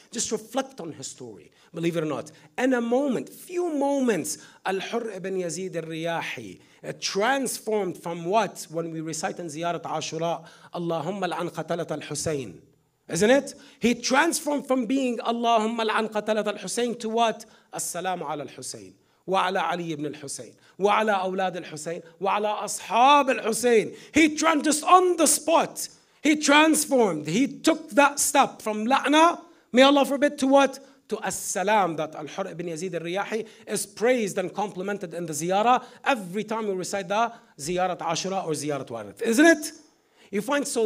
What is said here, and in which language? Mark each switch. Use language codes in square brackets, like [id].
[en] Just reflect on his story, believe it or not. In a moment, few moments, Al-Hur ibn Yazid al-Riyahi transformed from what? When we recite in Ziyarat Ashura, Allahumma al-an qatalat al-Husayn. Isn't it? He transformed from being Allahumma al-an qatalat al-Husayn to what? As-salamu ala al-Husayn. [ar] وعلى علي بن الحسين وعلى أولاد الحسين وعلى أصحاب الحسين. [en] He turned just on the spot. He transformed. He took that step from لعنة, may Allah forbid, to what? To السلام that Al-Hur ibn Yazid al-Riyahi is praised and complimented in the ziyara every time we recite that ziyarat Ashura or ziyarat Warith. Isn't it? You find so.